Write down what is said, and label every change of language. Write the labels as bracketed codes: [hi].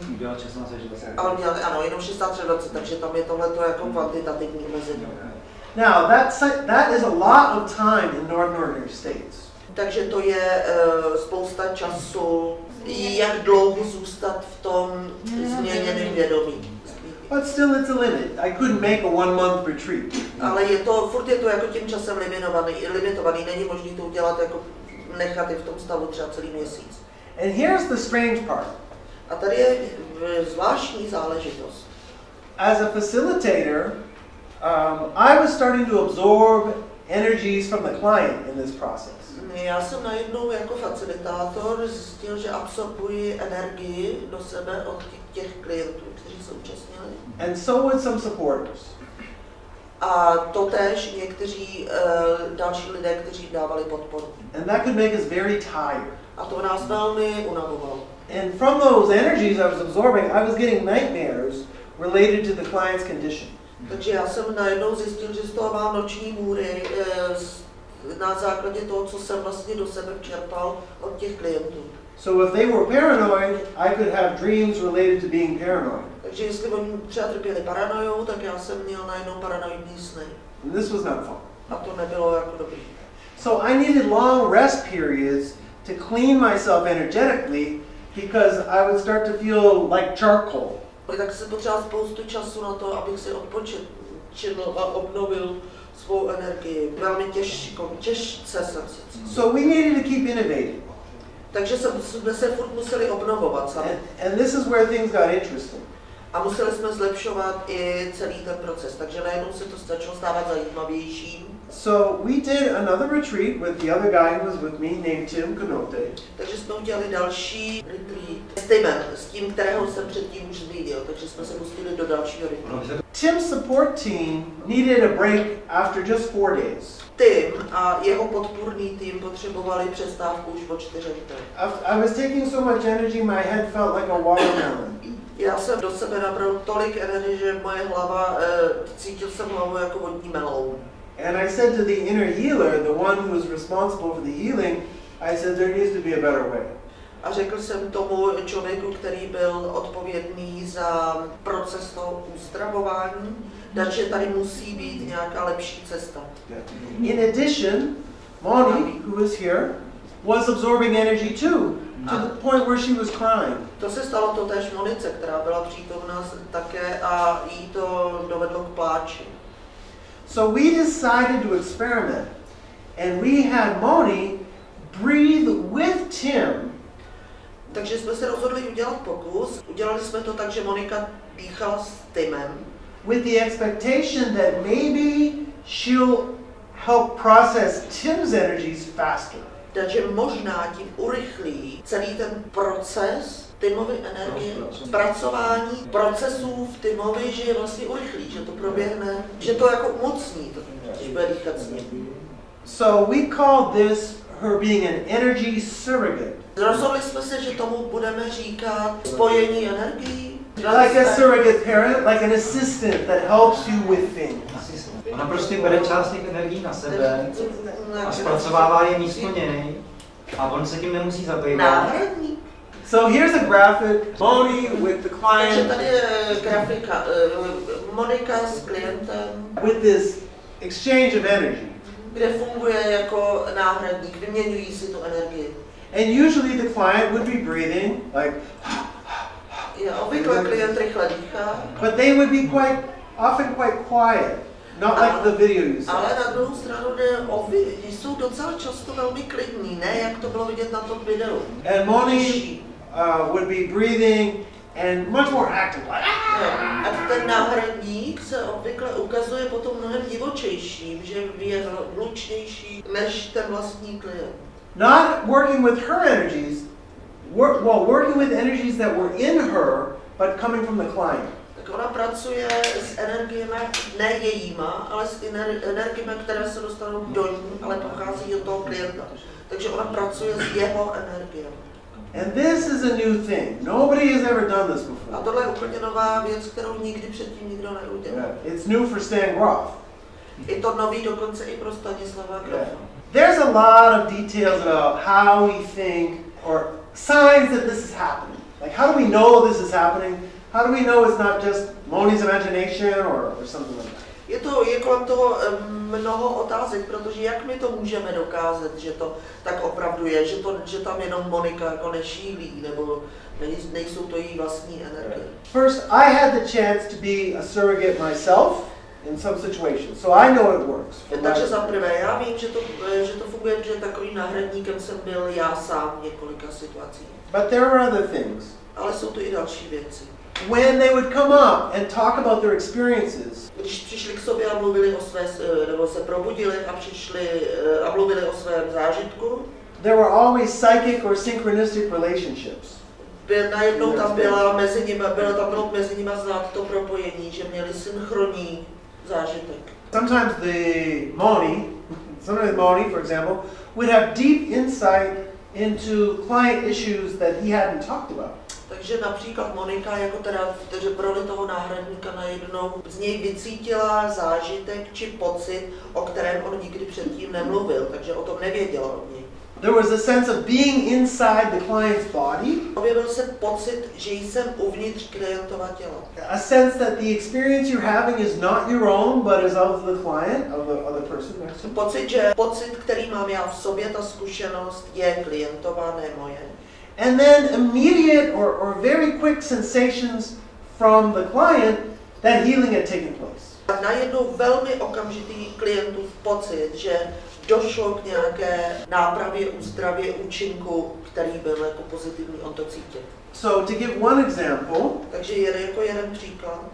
[cs] Dělat 16 až 20. Ano, jenom 16 až 20, takže tam je tohleto jako kvantitativní omezení. [en] Now, that is a lot of time in northern states. [cs] Takže to je spousta času, jak dlouho zůstat v tom změněném vědomí. [en] But still it's a limit. I couldn't make a one-month retreat. [cs] Ale je to, furt je to jako tím časem limitovaný, není možný to udělat jako nechat je v tom stavu třeba celý měsíc. [en] And here's the strange part. [cs] A tady je zvláštní záležitost. [en] As a facilitator, I was starting to absorb energies from the client in this process. [cs] Já jsem najednou jako facilitátor zjistil, že absorbuji energii do sebe od těch klientů, kteří se účastnili. [en] And so with some supporters. [cs] A totéž někteří další lidé, kteří dávali podporu. [en] And that could make us very tired. [cs] A to nás velmi unavovalo. [en] And from those energies I was absorbing, I was getting nightmares related to the client's condition. [cs] Takže já jsem najednou zjistil, že z toho mám noční můry, na základě toho, co jsem vlastně do sebe čerpal od těch klientů. [en] So if they were paranoid, I could have dreams related to being paranoid. [cs] Takže jestli oni třeba trpěli paranojou, tak já jsem měl najednou paranoidní sny. [en] And this was not fun. [cs] A to nebylo jako dobrý. [en] So I needed long rest periods to clean myself energetically because I would start to feel like charcoal. [cs] Tak jsem potřeboval spoustu času na to, abych si odpočinul a obnovil svou energii. Velmi těžce jsem se cítil. [en] So we needed to keep innovating. [cs] Takže jsme se furt museli obnovovat sami. [en] And this is where things got interesting. [cs] A museli jsme zlepšovat i celý ten proces, takže najednou se to začalo stávat zajímavějším. [en] So we did another retreat with the other guy who was with me named Tim Kunote. [cs] Takže jsme udělali další retreat s Timem, s tím, kterého jsem předtím už viděl, takže jsme se pustili do dalšího retreatu. [en] Tim's support team needed a break after just 4 days. [cs] Tim a jeho podpůrný tým potřebovali přestávku už po 4 dnech. [en] I was taking so much energy, my head felt like a watermelon. [cs] Já jsem do sebe nabral tolik energie, že moje hlava, cítil jsem hlavu jako vodní meloun. [en] And I said to the inner healer, the one who was responsible for the healing, I said there needs to be a better way. [cs] A řekl jsem tomu člověku, který byl odpovědný za proces toho uzdravování, takže tady musí být nějaká lepší cesta. [en] In addition, Moni, who was here, was absorbing energy too, to the point where she was crying. [cs] To se stalo totéž Monice, která byla přítomná také a jí to dovedlo k pláči. [en] So we decided to experiment, and we had Moni breathe with Tim. [cs] Takže jsme se rozhodli udělat pokus. Udělali jsme to tak, že Monika dýchala s Timem. [en] With the expectation that maybe she'll help process Tim's energies faster. [cs] Takže možná tím urychlí celý ten proces Timovy energie, zpracování procesů v Timovi, že je vlastně urychlí, že to proběhne, že to jako umocní, když bude dýchat s ním. [en] So we call this her being an energy surrogate. [cs] Rozhodli jsme se, že tomu budeme říkat spojení energií. [en] Like a surrogate parent, like an assistant that helps you with things. [cs] Ona prostě bere část těch energií na sebe a zpracovává je místo něj a on se tím nemusí zabývat. Náhradník. [en] So here's a graphic, Moni with the client. [cs] Takže tady je grafika, Monika s klientem. [en] With this exchange of energy. [cs] Kde funguje jako náhradník, vyměňují si tu energii. [en] And usually the client would be breathing, like [cs] obvykle klient rychle dýchá. [en] But they would be quite, often quite quiet. Not like the video you saw. [cs] Ale na druhou stranu jsou docela často velmi klidní, ne jak to bylo vidět na tom videu. [en] And Moni would be breathing and much more active. Like, [cs] a ten náhradník se obvykle ukazuje potom mnohem divočejším, že je hlučnější než ten vlastní klient. [en] Not working with her energies, working with energies that were in her, but coming from the client. [cs] Tak ona pracuje s energiemi ne jejíma, ale s energiemi, které se dostanou do ní, ale pochází od toho klienta. Takže ona pracuje s jeho energiemi. [en] And this is a new thing. Nobody has ever done this before. [cs] A tohle je úplně nová věc, kterou nikdy předtím nikdo neudělal. [en] Yeah. It's new for Stan Grof. [cs] Je to nový dokonce i pro Stanislava Grofa. [en] Yeah. There's a lot of details about how we think or signs that this is happening. Like, how do we know this is happening? How do we know it's not just Moni's imagination or something like that? [cs] Je to je kolem toho mnoho otázek, protože jak my to můžeme dokázat, že to tak opravdu je, že to že tam jenom Monika jako nešílí nebo nejsou to její vlastní energie. [en] First, I had the chance to be a surrogate myself. In some situations, so I know it works. [cs] Takže za prvé, já vím, že to funguje, že takovým náhradníkem jsem byl já sám v několika situacích. [en] But there are other things. [cs] Ale jsou tu i další věci. [en] When they would come up and talk about their experiences. [cs] Když přišli k sobě a mluvili o své, nebo se probudili a přišli a mluvili o svém zážitku. [en] There were always psychic or synchronistic relationships. [cs] Najednou tam byla mezi nimi, bylo mezi nimi znát to propojení, že měli synchronní. [en] Sometimes the Moni, for example, would have deep insight into client issues that he hadn't talked about. [cs] Takže například Monika jako teda roli toho náhradníka najednou z něj vycítila zážitek či pocit, o kterém on nikdy předtím nemluvil, takže o tom nevěděla od něj. [en] There was a sense of being inside the client's body. [cs] Objevil se pocit, že jsem uvnitř klientova těla. [en] A sense that the experience you're having is not your own, but is of the client, of the other person. [cs] Pocit, který mám já v sobě, ta zkušenost je klientova, ne moje. [en] And then immediate or very quick sensations from the client that healing had taken place. [cs] A najednou velmi okamžitý klientův pocit, že došlo k nějaké nápravě, uzdravě, účinku, který byl jako pozitivní, on to cítil. [en] So to give one example. [cs] Takže jeden jako jeden příklad.